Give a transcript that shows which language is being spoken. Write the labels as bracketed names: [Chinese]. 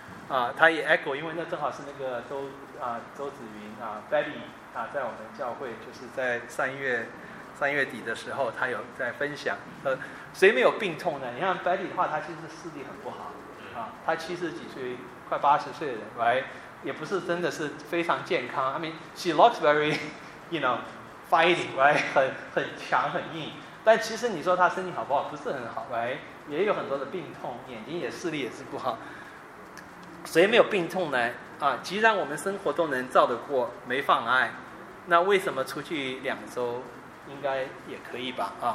[Chinese] 啊，他也 echo， 因为那正好是那个周子云啊 ，Betty 啊，在我们教会就是在三月底的时候，他有在分享。谁没有病痛呢？你看 Betty 的话，他其实视力很不好啊，他七十几岁。快八十岁的人 ，right， 也不是真的是非常健康。 [English] I mean, she looks very, you know, fighting, right， [Chinese] 很强很硬。但其实你说她身体好不好？不是很好 ，right， 也有很多的病痛，眼睛也视力也是不好。谁没有病痛呢？啊，既然我们生活都能照得过，没妨碍，那为什么出去两周应该也可以吧？